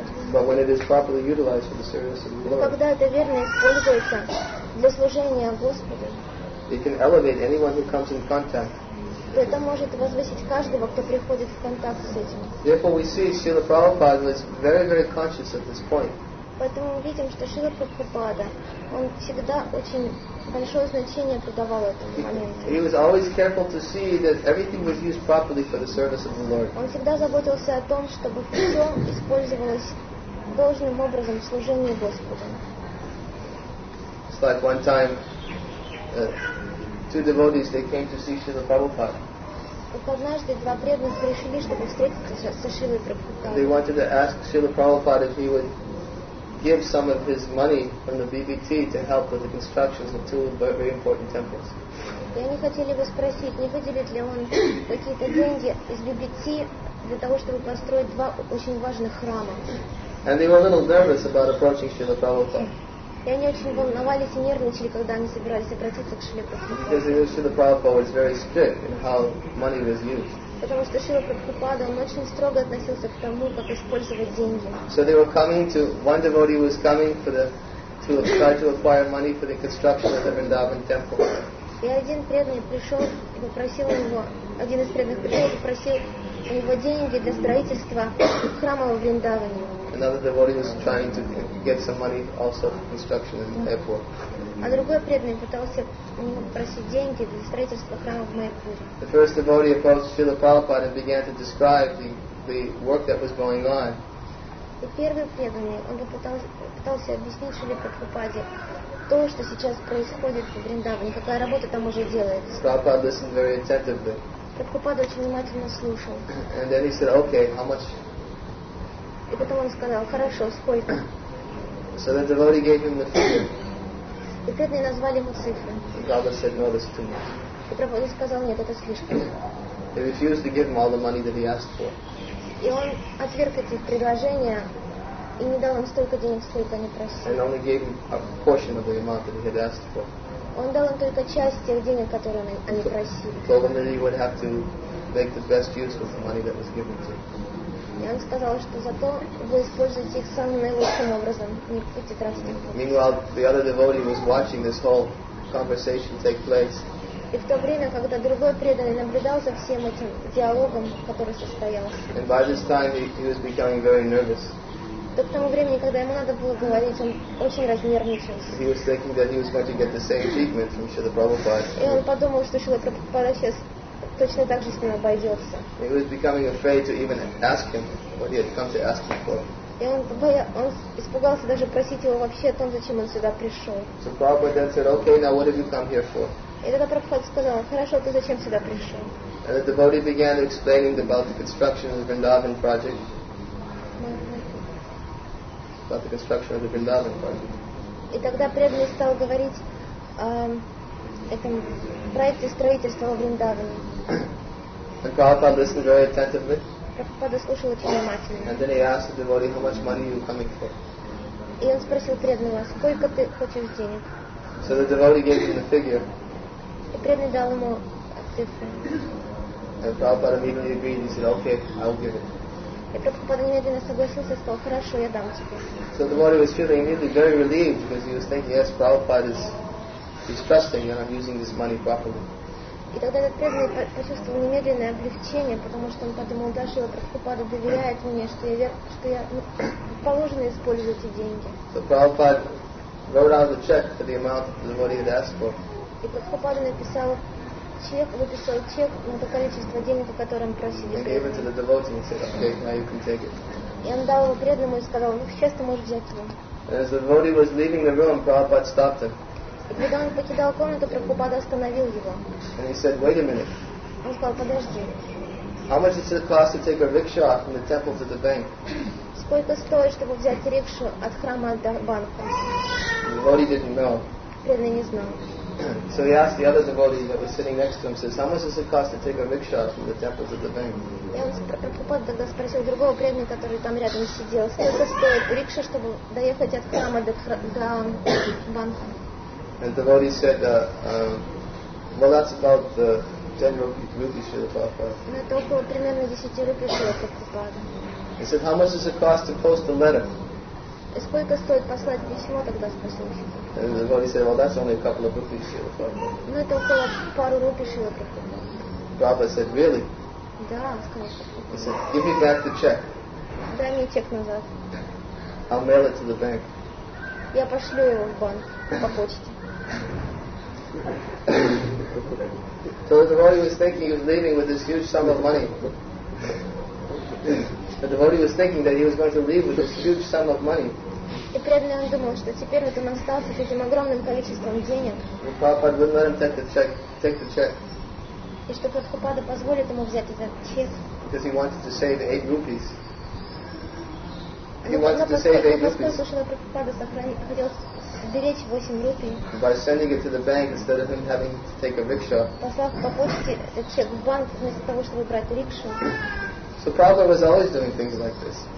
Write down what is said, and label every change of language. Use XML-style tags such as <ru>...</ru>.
<en>But when it is properly utilized for the service of the Lord.</en> <ru>Когда это верно используется для служения Господу.</ru> <en>It can elevate anyone who comes in contact.</en> <ru>Это может возвысить каждого, кто приходит в контакт с этим.</ru> <en>Therefore, we see Srila Prabhupada is very, very conscious of this point.</en> <ru>Поэтому мы видим, что Шрила Прабхупада, он всегда очень большое значение придавал этому моменту.</ru> <en>He was always careful to see that everything was used properly for the service of the Lord.</en> <ru>Он всегда заботился о том, чтобы все использовалось должным образом в служении Господу.</ru> <en>It's like one time, two devotees, they came to see Srila Prabhupada.</en> <ru>Как однажды два преданных пришли, чтобы встретиться со Шрилой Прабхупадой.</ru> <en>They wanted to ask Srila Prabhupada if he would give some of his money from the BBT to help with the constructions of two very important temples.</en> <ru>И они хотели бы спросить, не выделит ли он какие-то деньги из BBT для того, чтобы построить два очень важных храма.</ru> <en>And they were a little nervous about approaching Srila Prabhupada.</en> <ru>И они очень волновались и нервничали, когда они собирались обратиться к Шриле Прабхупаде.</ru> <en>Because they knew Srila Prabhupada was very strict in how money was used.</en> <ru>Потому что Шрила Прабхупада, он очень строго относился к тому, как использовать деньги.</ru> <en>So they were coming to, one devotee was coming for the, to try to acquire money for the construction of the Vrindavan temple.</en> <ru>И один преданный пришел и попросил у него, один из преданных пришел и попросил у него деньги для строительства храма в Вриндаване.</ru> <en>Another devotee was trying to get some money also for construction in the airport.</en> <ru>А другой преданный пытался у него просить деньги для строительства храма в Майпуре.</ru> <en>The first devotee approached Srila Prabhupada and began to describe the work that was going on.</en> <ru>И первый преданный, он пытался объяснить Шриле Прабхупаде то, что сейчас происходит в Вриндаване, какая работа там уже делается.</ru> <en>Prabhupada listened very attentively.</en> <ru>Прабхупада очень внимательно слушал.</ru> <en>And then he said, okay, how much?</en> <ru>И потом он сказал, хорошо, сколько?</ru> <en>So the devotee gave him the figure.</en> <ru>И преданные назвали ему цифры.</ru> <en>And Prabhupada said, no, that's too much.</en> <ru>И Прабхупада сказал, нет, это слишком.</ru> <en>He refused to give him all the money that he asked for.</en> <ru>И он отверг эти предложения и не дал им столько денег, сколько они просили.</ru> <en>And only gave him a portion of the amount that he had asked for.</en> <ru>Он дал им только часть тех денег, которые они просили.</ru> <en>Told them that he would have to make the best use of the money that was given to him.</en> <ru>И он сказал, что зато вы используете их самым наилучшим образом, не будете тратить их.</ru> <en>Meanwhile, the other devotee was watching this whole conversation take place.</en> <ru>И в то время, когда другой преданный наблюдал за всем этим диалогом, который состоялся.</ru> <en>And by this time, he was becoming very nervous.</en> <ru>До того времени, когда ему надо было говорить, он очень разнервничался.</ru> <en>He was thinking that he was going to get the same treatment from Srila Prabhupada.</en> <ru>И он подумал, что Шрила Прабхупада сейчас точно так же с ним обойдется.</ru> <en>He was becoming afraid to even ask him what he had come to ask him for.</en> <ru>И он испугался даже просить его вообще о том, зачем он сюда пришел.</ru> <en>So Prabhupada then said, okay, now what have you come here for?</en> <ru>И тогда Прабхупада сказал, хорошо, ты зачем сюда пришел?</ru> <en>And the devotee began explaining about the construction of the Vrindavan project. About the construction of the Vrindavan project.</en> <ru>И тогда преданный стал говорить о этом проекте строительства в Вриндаване.</ru> <en>And Prabhupada listened very attentively.</en> <ru>Прабхупада слушал очень внимательно.</ru> <en>And then he asked the devotee, how much money are you coming for?</en> <ru>И он спросил преданного, сколько ты хочешь денег?</ru> <en>So the devotee gave him the figure.</en> <ru>И преданный дал ему цифры.</ru> <en>And Prabhupada immediately agreed. He said, okay, I'll give it.</en> <ru>И Прабхупада немедленно согласился и сказал, хорошо, я дам тебе.</ru> <en>So the devotee was feeling immediately very relieved because he was thinking, yes, Prabhupada is trusting and I'm using this money properly.</en> <ru>И тогда этот преданный почувствовал немедленное облегчение, потому что он подумал, да, что Прабхупада доверяет мне, что я положено использовать эти деньги.</ru> <en>So Prabhupada wrote out the check for the amount that the devotee had asked for.</en> <ru>И Прабхупада написал чек, выписал чек на то количество денег, о котором просили.</ru> <en>And gave it to the devotee and said, okay, now you can take it.</en> <ru>И он дал его преданному и сказал, ну, сейчас ты можешь взять его.</ru> <en>And as the devotee was leaving the room, Prabhupada stopped him.</en> <ru>И когда он покидал комнату, Прабхупада остановил его.</ru> <en>And he said, wait a minute.</en> <ru>Он сказал, подожди.</ru> <en>How much does it cost to take a rickshaw from the temple to the bank?</en> <ru>Сколько стоит, чтобы взять рикшу от храма до банка?</ru> <en>The devotee didn't know.</en> <ru>Преданный не знал.</ru> <en>So he asked the other devotee that was sitting next to him, says, how much does it cost to take a rickshaw from the temple to the bank?</en> <ru>И он Прабхупада тогда спросил другого преданного, который там рядом сидел, сколько стоит рикша, чтобы доехать от храма до банка?</ru> <en>And the devotee said, well, that's about 10 rupees for the Prabhupada. He said, how much does it cost to post a letter? And the devotee said, well, that's only a couple of rupees for the Prabhupada. Prabhupada said, really? He said, give me back the check.</en> <ru>Дай мне чек назад.</ru> <en>I'll mail it to the bank.</en> <ru>Я пошлю его в банк по почте.</ru> <en>So the devotee was thinking he was leaving with this huge sum of money. The devotee was thinking that he was going to leave with this huge sum of money.</en> <ru>И преданный он думал, что теперь вот он остался с этим огромным количеством денег.</ru> <en>And Prabhupada wouldn't let him take the check.</en> <ru>И что Прабхупада позволит ему взять этот чек.</ru> <en>Because he wanted to save 8 rupees. He wanted to save 8 rupees.</en> <ru>Потому что Прабхупада хотел сберечь 8 рупий.</ru> <en>By sending it to the bank instead of him having to take a rickshaw.</en> <ru>Послав по почте этот чек в банк вместо того, чтобы брать рикшу.</ru> <en>So Prabhupada was always doing things like this.</en>